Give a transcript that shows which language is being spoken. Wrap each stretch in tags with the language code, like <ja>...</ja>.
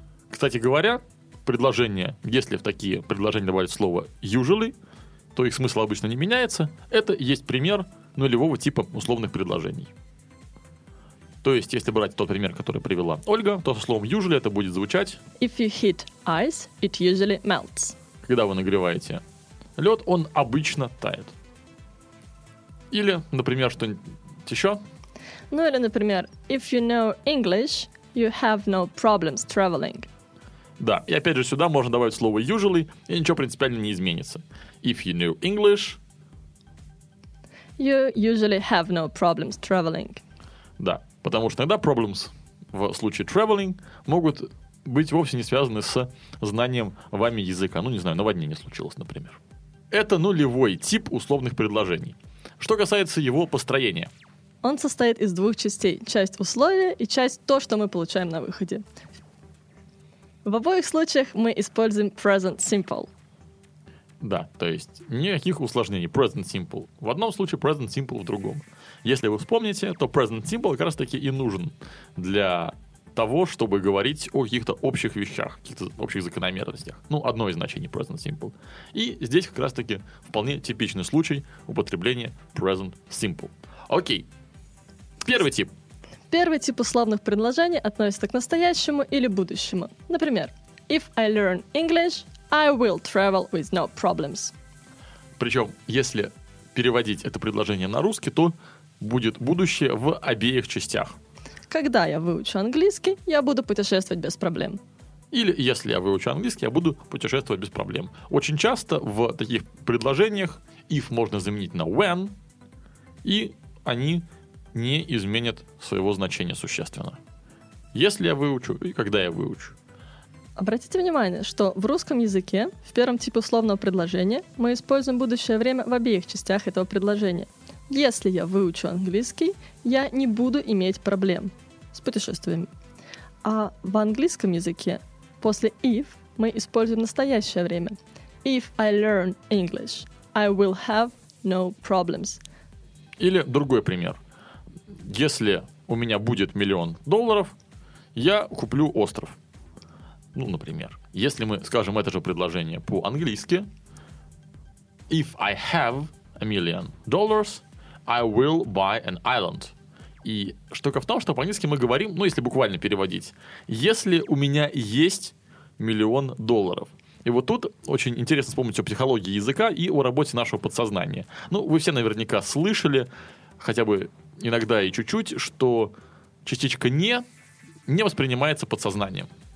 <ru>Кстати говоря, предложение, если в такие предложения добавлять слово usually, то их смысл обычно не меняется. Это есть пример нулевого типа условных предложений. То есть, если брать тот пример, который привела Ольга, то со словом usually это будет звучать...</ru> <en>If you heat ice, it usually melts.</en> <ru>Когда вы нагреваете лед, он обычно тает. Или, например, что-нибудь еще? Ну, или, например,</ru> <en>if you know English, you have no problems traveling.</en> <ru>Да, и опять же сюда можно добавить слово usually, и ничего принципиально не изменится.</ru> <en>If you know English... You usually have no problems traveling.</en> <ru>Да, потому что иногда problems в случае traveling могут быть вовсе не связаны с знанием вами языка. Ну, не знаю, наводнение случилось, например. Это нулевой тип условных предложений. Что касается его построения? Он состоит из двух частей. Часть условия и часть то, что мы получаем на выходе. В обоих случаях мы используем present simple. Да, то есть никаких усложнений.</ru> <en>Present simple.</en> <ru>В одном случае present simple, в другом. Если вы вспомните, то present simple как раз-таки и нужен для того, чтобы говорить о каких-то общих вещах, каких-то общих закономерностях. Ну, одно из значений present simple. И здесь как раз-таки вполне типичный случай употребления present simple. Окей. Первый тип. Первый тип условных предложений относится к настоящему или будущему. Например,</ru> <en>if I learn English, I will travel with no problems.</en> <ru>Причем, если переводить это предложение на русский, то будет будущее в обеих частях. Когда я выучу английский, я буду путешествовать без проблем. Или, если я выучу английский, я буду путешествовать без проблем. Очень часто в таких предложениях if можно заменить на when, и они не изменят своего значения существенно. Если я выучу и когда я выучу. Обратите внимание, что в русском языке в первом типе условного предложения мы используем будущее время в обеих частях этого предложения. Если я выучу английский, я не буду иметь проблем с путешествиями. А в английском языке после if мы используем настоящее время.</ru> <en>If I learn English, I will have no problems.</en> <ru>Или другой пример. Если у меня будет $1,000,000, я куплю остров. Ну, например, если мы скажем это же предложение по-английски.</ru> <en>If I have $1,000,000, I will buy an island.</en> <ru>И штука в том, что по-английски мы говорим, ну, если буквально переводить. Если у меня есть $1,000,000. И вот тут очень интересно вспомнить о психологии языка и о работе нашего подсознания. Ну, вы все наверняка слышали, хотя бы иногда и чуть-чуть, что частичка «не» не воспринимается подсознанием.</ru>